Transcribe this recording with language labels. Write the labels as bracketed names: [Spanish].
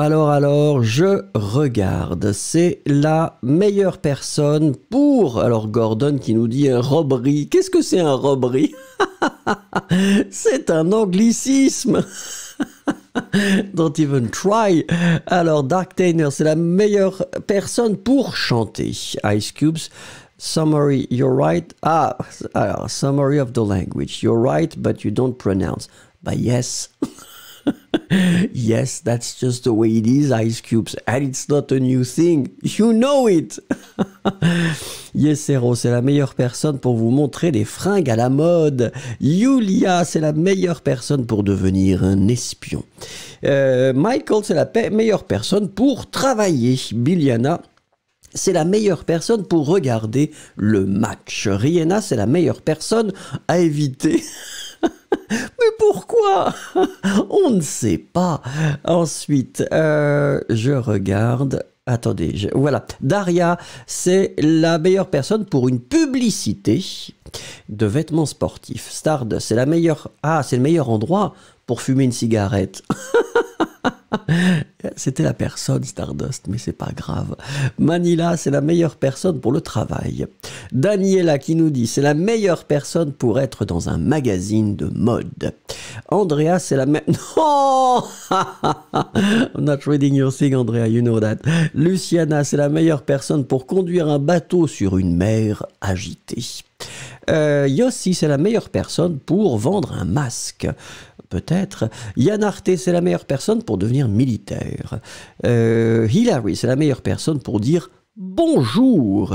[French] Alors, je regarde, c'est la meilleure personne pour... Alors Gordon qui nous dit un robbery, qu'est-ce que c'est un robbery? C'est un anglicisme. [English] Don't even try. [French] Alors Dark Tainer, c'est la meilleure personne pour chanter. [English] Ice Cubes, summary, you're right. Ah, alors, summary of the language, you're right, but you don't pronounce. But yes. Yes, that's just the way it is, Ice Cubes, and it's not a new thing, you know it. [French] Yes, Ero, c'est la meilleure personne pour vous montrer les fringues à la mode. Yulia, c'est la meilleure personne pour devenir un espion. Michael, c'est la meilleure personne pour travailler. Biliana, c'est la meilleure personne pour regarder le match. Rihanna, c'est la meilleure personne à éviter. Mais pourquoi? On ne sait pas. Ensuite, je regarde. Attendez, voilà. Daria, c'est la meilleure personne pour une publicité de vêtements sportifs. Stard, c'est la meilleure. Ah, c'est le meilleur endroit pour fumer une cigarette. C'était la personne Stardust, mais c'est pas grave. Manila, c'est la meilleure personne pour le travail. Daniela qui nous dit, c'est la meilleure personne pour être dans un magazine de mode. Andrea, c'est la meilleure... [English] Oh! I'm not reading your thing, Andrea, you know that. [French] Luciana, c'est la meilleure personne pour conduire un bateau sur une mer agitée. Yossi, c'est la meilleure personne pour vendre un masque. Peut-être. Yann Arte, c'est la meilleure personne pour devenir militaire. Hillary, c'est la meilleure personne pour dire bonjour.